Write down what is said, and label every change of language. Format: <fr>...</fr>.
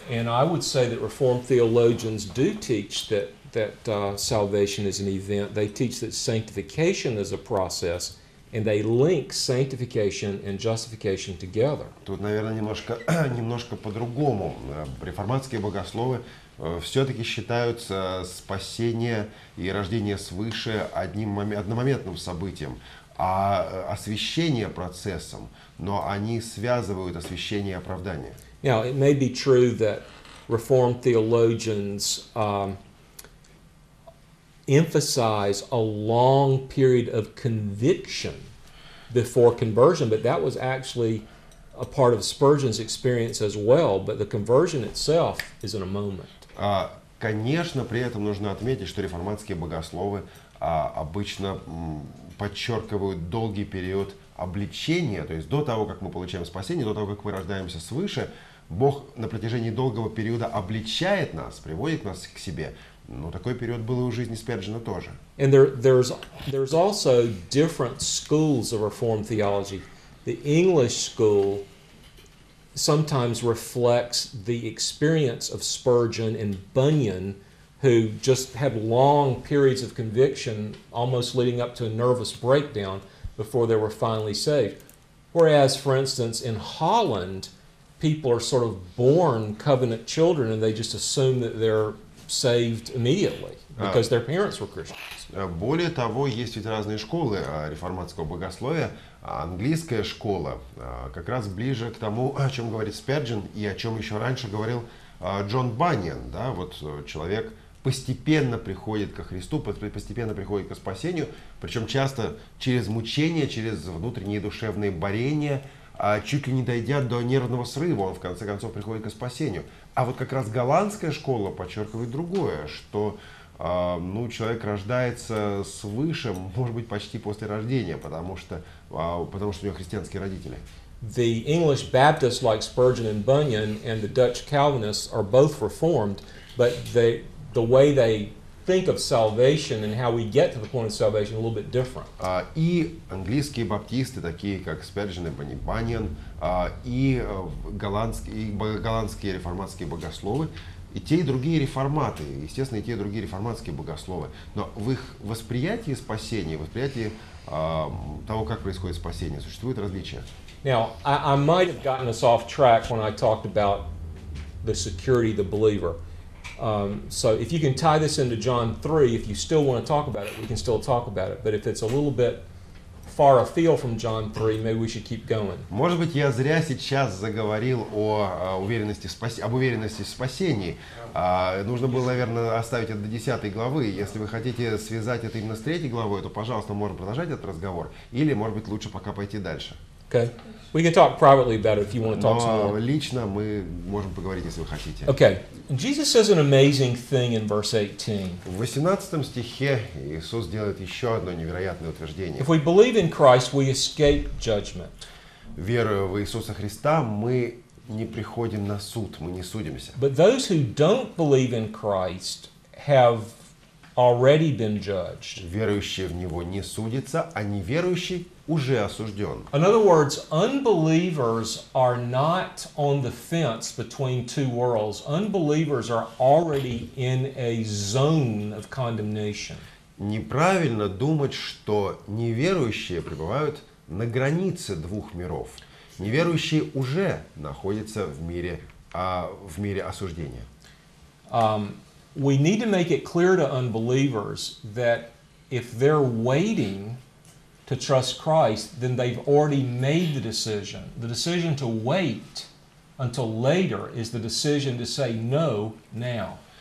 <en>And I would say that reformed theologians do teach that salvation is an event. They teach that sanctification is a process. And they link sanctification and justification together.</en> <ru>Тут, наверное, немножко по-другому. Реформатские богословы все-таки считают спасение и рождение свыше одномоментным событием, а освящение процессом. Но они связывают освящение и оправдание.</ru> <en>Now, it may be true that Reformed theologians emphasize a long period of conviction before conversion, but that was actually a part of Spurgeon's experience as well, but the conversion itself is in a moment.</en> <ru>Конечно, при этом нужно отметить, что реформатские богословы обычно подчеркивают долгий период обличения, то есть до того, как мы получаем спасение, до того, как мы рождаемся свыше, Бог на протяжении долгого периода обличает нас, приводит нас к себе. Ну, такой период был и у жизни Спёрджена тоже.</ru> <en>And there's also different schools of Reformed theology. The English school sometimes reflects the experience of Spurgeon and Bunyan, who just had long periods of conviction, almost leading up to a nervous breakdown before they were finally saved. Whereas, for instance, in Holland, people are sort of born covenant children, and they just assume that they're saved immediately because their parents were Christians.</en> <ru>Более того, есть ведь разные школы реформатского богословия. Английская школа как раз ближе к тому, о чем говорит Спёрджен и о чем еще раньше говорил Джон Баньян, да, вот человек постепенно приходит ко Христу, постепенно приходит ко спасению, причем часто через мучения, через внутренние душевные борения, чуть ли не дойдя до нервного срыва, он в конце концов приходит ко спасению. А вот как раз голландская школа подчеркивает другое, что ну, человек рождается свыше, может быть, почти после рождения, потому что у него христианские родители.</ru> <en>the English Baptists like Spurgeon and Bunyan and the Dutch Calvinists are both Reformed, but the way they think of salvation and how we get to the point of salvation a little bit different.</en> <ru>И английские баптисты, такие как Спержен и Баньян, и голландские реформатские богословы, и те, и другие реформаты, естественно, и те, и другие реформатские богословы, но в их восприятии спасения, восприятии того, как происходит спасение, существуют различия.</ru> <en>Now, I might have gotten us off track when I talked about the security of the believer. So if you can tie this into John 3, if you still want to talk about it, we can still talk about it. But if it's a little bit far afield from John 3, maybe we should keep going.</en> <ru>Может быть, я зря сейчас заговорил об уверенности в спасении. Нужно было, наверное, оставить это до 10 главы. Если вы хотите связать это именно с 3 главой, то, пожалуйста, мы можем продолжать этот разговор. Или, может быть, лучше пока пойти дальше.</ru> <en>Okay. We can talk privately about it if you want to talk some more.</en> <ru>Лично мы можем поговорить, если вы хотите.</ru> <en>Okay. Jesus says an amazing thing in verse 18.</en> <ru>В 18 стихе Иисус делает еще одно невероятное утверждение.</ru> <en>If we believe in Christ, we escape judgment.</en> <ru>Веруя в Иисуса Христа, мы не приходим на суд, мы не судимся.</ru> <en>But those who don't believe in Christ have already been judged.</en> <ru>Верующий в Него не судится, а неверующий уже осужден.</ru> <en>In other words, unbelievers are not on the fence between two worlds. Unbelievers are already in a zone of condemnation.</en> <ru>Неправильно думать, что неверующие пребывают на границе двух миров. Неверующие уже находятся в мире осуждения.</ru> <en>We need to make it clear to unbelievers that if they're waiting to trust Christ, then they've already made the decision. The decision to wait until later is the decision to say no now.</en>